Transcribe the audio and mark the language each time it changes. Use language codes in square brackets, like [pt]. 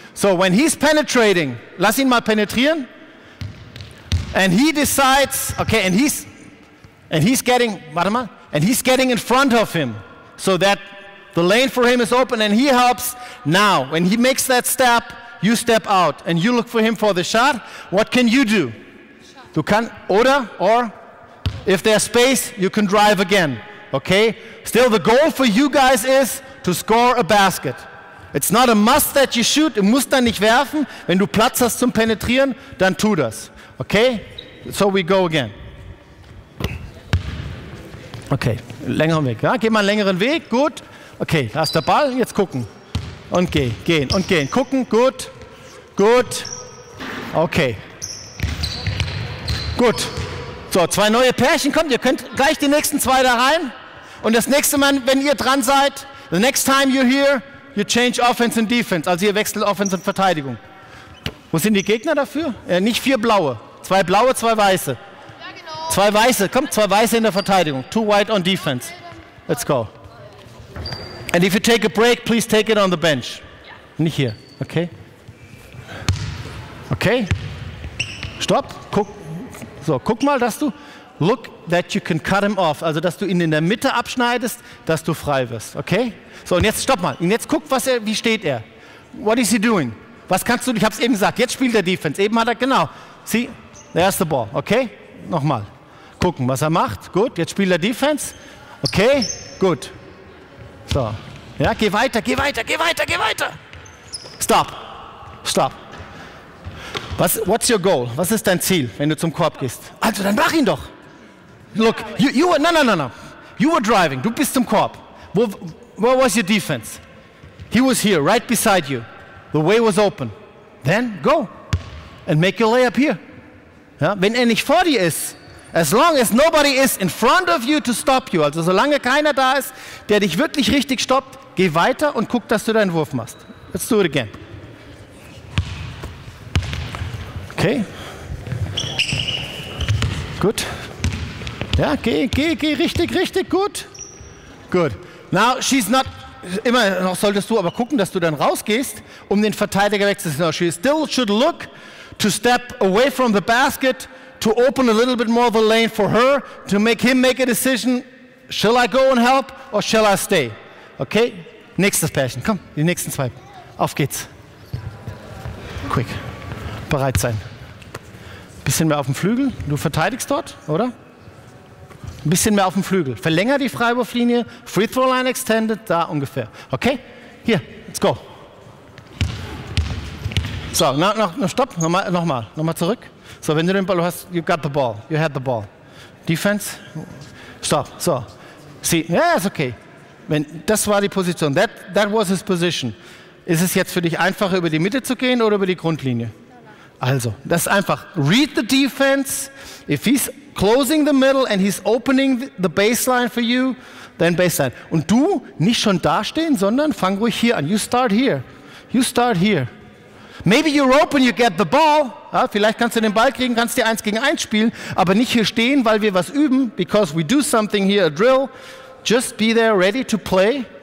[en] So when he's penetrating, [de] lass ihn mal penetrieren. [en] And he decides, okay, and he's getting in front of him, so that the lane for him is open and he helps. Now, when he makes that step, you step out and you look for him for the shot. What can you do? [de] Du kannst oder [en] if there's space, you can drive again, okay? Still, the goal for you guys is to score a basket. It's not a must that you shoot. [de] Du musst dann nicht werfen. Wenn du Platz hast zum Penetrieren, dann tu das, okay? [en] So we go again. [de] Okay, längeren Weg. Ja? Geh mal einen längeren Weg, gut. Okay, da ist der Ball, jetzt gucken. Und gehen und gehen. Gucken, gut, gut, okay. Gut. So, zwei neue Pärchen, kommt, ihr könnt gleich die nächsten zwei da rein. Und das nächste Mal, wenn ihr dran seid, [en] the next time you're here, you change offense and defense. [de] Also ihr wechselt Offense und Verteidigung. Wo sind die Gegner dafür? Nicht 4 blaue. 2 blaue, 2 weiße. Ja, genau. 2 weiße, kommt, 2 weiße in der Verteidigung. [en] 2 white on defense. Let's go. And if you take a break, please take it on the bench. [de] Ja. Nicht hier, okay? Okay. Stopp, guck. So, guck mal, dass du, [en] look that you can cut him off, [de] also dass du ihn in der Mitte abschneidest, dass du frei wirst, okay? So, und jetzt stopp mal, und jetzt guck, was er, wie steht er? [en] What is he doing? [de] Was kannst du, ich hab's eben gesagt, jetzt spielt er Defense, eben hat er, genau, [en] see, there's the ball, [de] okay? Nochmal, gucken, was er macht, gut, jetzt spielt er Defense, okay, gut. So, ja, geh weiter, geh weiter, geh weiter, geh weiter. Stop. [en] What's your goal? [de] Was ist dein Ziel, wenn du zum Korb gehst? Also, dann mach ihn doch. [en] Look, you were, no. You were driving, [de] du bist zum Korb. [en] Where was your defense? He was here, right beside you. The way was open. Then, go and make your layup here. Ja? [de] Wenn er nicht vor dir ist, [en] As long as nobody is in front of you to stop you, [de] also solange keiner da ist, der dich wirklich richtig stoppt, geh weiter und guck, dass du deinen Wurf machst. [en] Let's do it again. Okay. [de] Gut. Ja, geh richtig gut. Gut. [en] Now she's not, [de] immer noch solltest du aber gucken, dass du dann rausgehst, um den Verteidiger wegzusetzen. [en] She still should look to step away from the basket, to open a little bit more of the lane for her, to make him make a decision, shall I go and help or shall I stay? [de] Okay, nächstes Pärchen, komm, die nächsten zwei. Auf geht's. Quick, bereit sein. Bisschen mehr auf dem Flügel, du verteidigst dort, oder? Ein bisschen mehr auf dem Flügel. Verlänger die Freiwurflinie, [en] free throw line extended, [de] da ungefähr. [en] Okay, hier, let's go. [de] So, nochmal zurück. So, wenn du den Ball hast, [en] you got the ball, you had the ball. Defense, stop, so. See, yeah, it's okay. [de] Wenn, das war die Position, [en] that was his position. [de] Ist es jetzt für dich einfacher, über die Mitte zu gehen oder über die Grundlinie? Also, das ist einfach. [en] Read the defense. If he's closing the middle and he's opening the baseline for you, then baseline. [de] Und du nicht schon dastehen, sondern fang ruhig hier an. [en] You start here. Maybe you're open, you get the ball. [de] Ja, vielleicht kannst du den Ball kriegen, kannst dir eins gegen eins spielen, aber nicht hier stehen, weil wir was üben. [en] Because we do something here, a drill. Just be there, ready to play.